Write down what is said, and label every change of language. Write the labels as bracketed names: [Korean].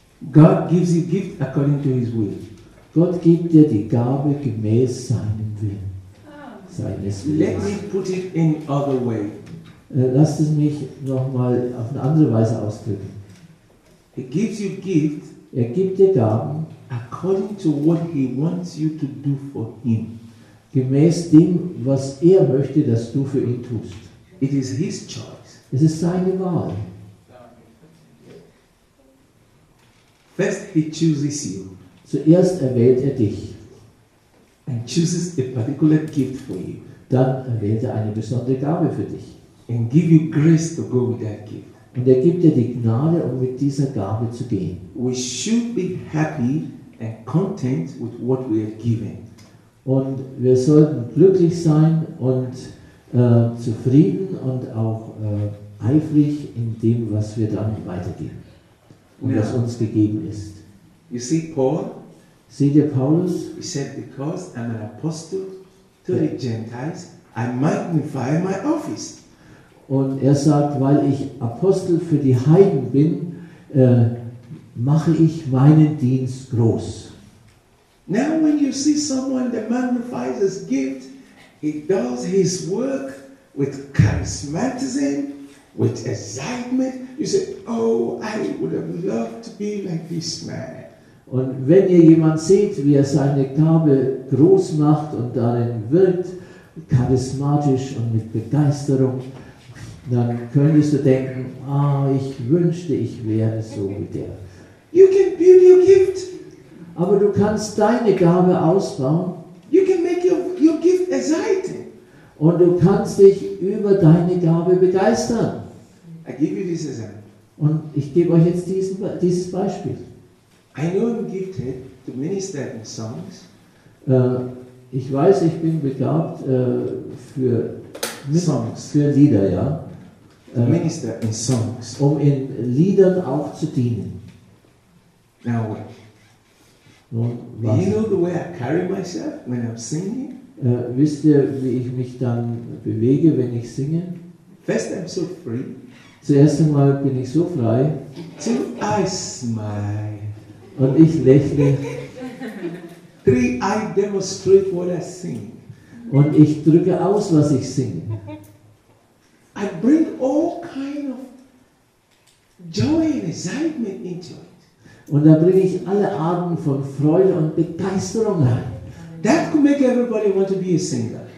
[English] God gives you gift according to his will. [German] Gott gibt dir die Gabe gemäß seinem Willen. Seines Willens. [English] Let me put it in other way. [German] Lass es mich nochmal auf eine andere Weise ausdrücken. [English] He gives you gift. [German] Er gibt dir Gaben [English] according to what he wants you to do for him. [German] Gemäß dem, was er möchte, dass du für ihn tust. [English] It is his choice. [German] Es ist seine Wahl. [English] First he chooses you. [German] Zuerst erwählt er dich. [English] And chooses a particular gift for you. [German] Dann erwählt er eine besondere Gabe für dich. [English] And give you grace to go with that gift. [German] Und er gibt dir die Gnade, um mit dieser Gabe zu gehen. [English] We should be happy and content with what we are given. [German] Und wir sollten glücklich sein und zufrieden und auch eifrig in dem, was wir dann weitergeben und was uns gegeben ist. [English] You see, Paul. [German] Seht ihr Paulus? [English] He said, because I'm an apostle to the Gentiles, I magnify my office. [German] Und er sagt, weil ich Apostel für die Heiden bin, mache ich meinen Dienst groß. [English] Now when you see someone that magnifies his gift, he does his work with charismatism, with excitement. You say, oh, I would have loved to be like this man. [German] Und wenn ihr jemand seht, wie er seine Gabe groß macht und darin wirkt, charismatisch und mit Begeisterung, dann könntest du denken, ah, ich wünschte, ich wäre so wie der. [English] You can build your gift. [German] Aber du kannst deine Gabe ausbauen. [English] You can make your gift exciting. [German] Und du kannst dich über deine Gabe begeistern. [English] I give you this example. [German] Und ich gebe euch jetzt dieses Beispiel. [English] I know I'm gifted to minister in songs. [German] Ich weiß, ich bin begabt für [English] Songs. [German] Für Lieder, ja. [English] Minister in songs. [German] Um in Liedern auch zu dienen. [English] Now what? [German] Nun, [English] do you know the way I carry myself when I'm singing? [German] Wisst ihr, wie ich mich dann bewege, wenn ich singe? [English] First I'm so free. [German] Zuerst einmal bin ich so frei. [English] Two, I smile. [German] Und ich lächle. [English] Three, I demonstrate what I sing. [German] Und ich drücke aus, was ich singe. [English] I bring all kind of joy and excitement into it. [German] Und da bringe ich alle Arten von Freude und Begeisterung rein. [English] That could make everybody want to be a singer.